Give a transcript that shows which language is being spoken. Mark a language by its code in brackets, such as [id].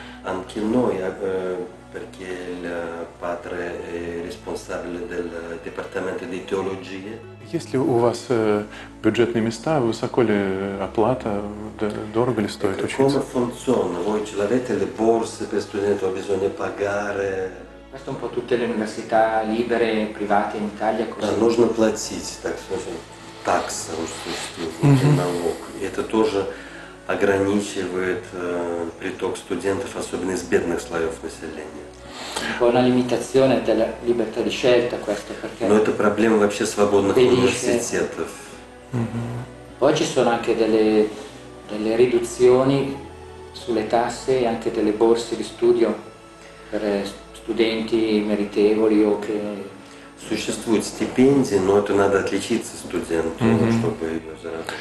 [it] Анкино, perché il padre è responsabile del dipartimento di teologia. [ru] Если у вас бюджетные места, высоко ли оплата, дорого ли стоит учиться? [it] Come funziona? Voi ce l'avete le borse per studenti o bisogna pagare? Questo un po' tutte le università libere e private in Italia così. [ru] Да, нужно платить, так сказать, такса, налог. Это тоже ограничивает приток студентов, особенно из бедных слоев населения. [it] Una limitazione della libertà di scelta questo perché. [ru] Но это проблема вообще свободных университетов. [it] Poi ci sono anche delle riduzioni sulle tasse e anche delle borse di studio per studenti meritevoli o che. [ru] Существуют стипендии, но это надо отличиться студенту, чтобы заработать.